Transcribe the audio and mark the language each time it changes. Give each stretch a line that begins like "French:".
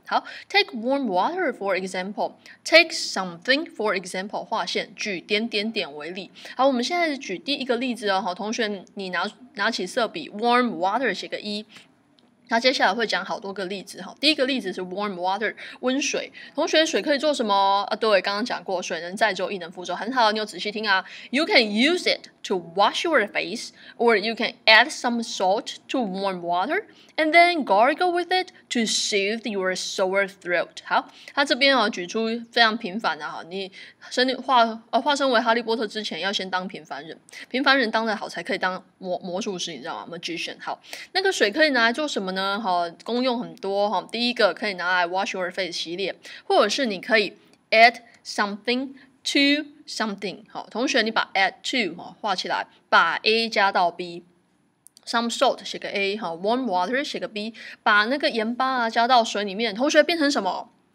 English: 好 ，take warm water for example，take something for example，
Chinese: 划线，举点点点为例。好，我们现在举第一个例子哦，好，同学，你拿起色笔 ，warm water 写个一。那接下来会讲好多个例子，第一个例子是 warm water， 温水。同学，水可以做什么？啊，对，刚刚讲过，水能载舟，亦能覆舟，很好，你有仔细听啊。
English: You can use it to wash your face, or you can add some salt to warm water, and then gargle with it to soothe your sore throat.
Chinese: 好，他这边哦，举出非常平凡的哈，你化身为哈利波特之前，要先当平凡人，平凡人当得好，才可以当魔术师，你知道吗 ？Magician。好，那个水可以拿来做什么？呢功用很多，第一个可以拿来
English: wash your face
Chinese: 洗脸，或者是你可以
English: add something to something，
Chinese: 同学你把 add to 画起来，把 A 加到 B， some salt 写个 A， warm water 写个 B， 把那个盐巴加到水里面，同学变成什么？